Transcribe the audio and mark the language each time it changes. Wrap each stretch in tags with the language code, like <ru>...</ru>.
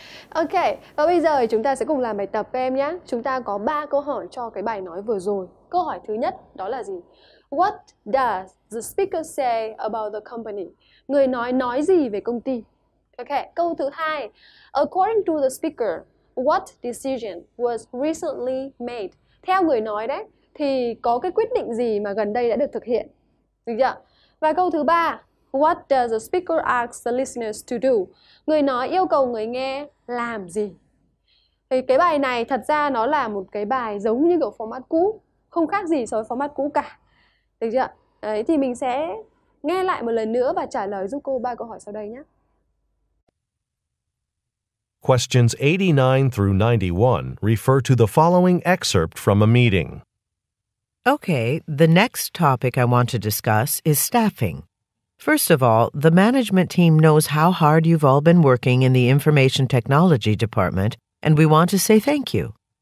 <vi>Ok, và bây giờ chúng ta sẽ cùng làm bài tập với em nhé. Chúng ta có 3 câu hỏi cho cái bài nói vừa rồi. Câu hỏi thứ nhất đó là gì?</vi> <en>What does the speaker say about the company?</en> <vi>Người nói gì về công ty? Okay, câu thứ hai.</vi> <en>According to the speaker, what decision was recently made?</en> <vi>Theo người nói đấy, thì có cái quyết định gì mà gần đây đã được thực hiện? Được chưa? Và câu thứ ba.</vi> <en>What does the speaker ask the listeners to do?</en> <vi>Người nói yêu cầu người nghe làm gì? Thì cái bài này thật ra nó là một cái bài giống như kiểu format cũ, không khác gì so với format cũ cả. Được chưa? Đấy, thì mình sẽ nghe lại một lần nữa và trả lời giúp cô 3 câu hỏi sau đây nhé.</vi> <en>Questions 89 through 91 refer to the following excerpt from a meeting. Okay, the next topic I want to discuss is staffing. First of all, the management team knows how hard you've all been working in the information technology department, and we want to say thank you.</en>